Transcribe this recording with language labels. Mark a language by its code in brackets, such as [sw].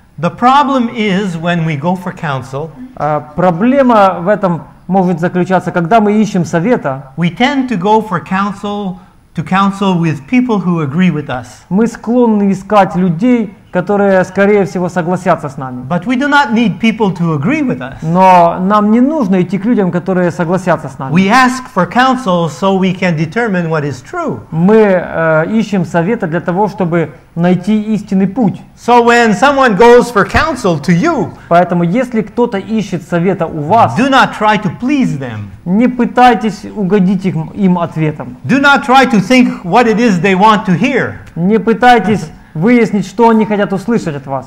[en] The problem is when we go for counsel. [ru] Проблема в этом может заключаться, когда мы ищем совета. [en] We tend to go for counsel. To counsel with people who agree with us. [ru] Мы склонны искать людей, которые, скорее всего, согласятся с нами. [en] But we do not need people to agree with us. [ru] Но нам не нужно идти к людям, которые согласятся с нами. [en] We ask for counsel so we can determine what is true. [ru] Мы ищем совета для того, чтобы найти истинный путь. [en] So when someone goes for counsel to you, [ru] поэтому если кто-то ищет совета у вас, [en] do not try to please them. [ru] Не пытайтесь угодить им ответом. [en] Do not try to think what it is they want to hear. [ru] Не пытайтесь выяснить, что они хотят услышать от вас.